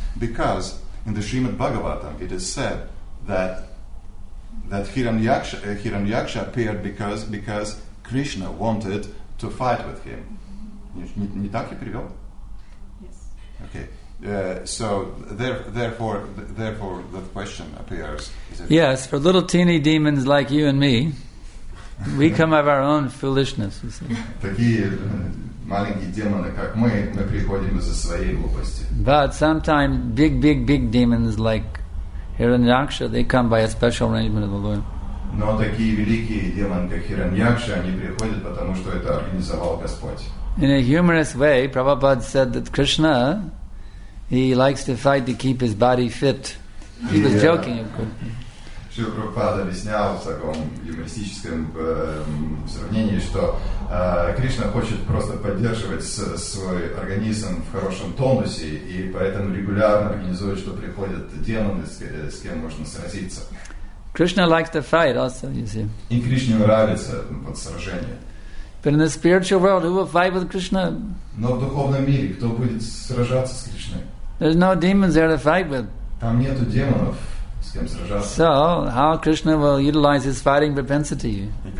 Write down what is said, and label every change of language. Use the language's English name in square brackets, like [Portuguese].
[English] Because in the Srimad Bhagavatam it is said that Hiranyaksha appeared because Krishna wanted to fight with him. [Russian] Mm-hmm. Не так я перевел? [English] Yes. Okay. So therefore the question appears. Yes, for little teeny demons like you and me, we come of our own foolishness. You see. [Russian] Такие маленькие демоны, как мы приходим из-за своей глупости. [English] But sometimes big demons like Hiranyaksha, they come by a special arrangement of the Lord. [Russian] Но такие великие демоны, как Хираньякша, они приходят, потому что это организовал Господь. [English] In a humorous way, Prabhupada said that Krishna, he likes to fight to keep his body fit. He was joking, of course. [Russian] Шрила Прабхупада объяснял в таком юмористическом сравнении, что Кришна хочет просто поддерживать свой организм в хорошем тонусе, и поэтому регулярно организует, что приходят демоны, с кем можно сразиться. [English] Krishna likes to fight also, you see. [Russian] И Кришне нравится вот сражение. [English] But in the spiritual world, who will fight with Krishna? [Russian] Но в духовном мире кто будет сражаться с Кришной? [English] There's no demons there to fight with. [Russian] Там нету демонов. [English] So, how Krishna will utilize his fighting propensity?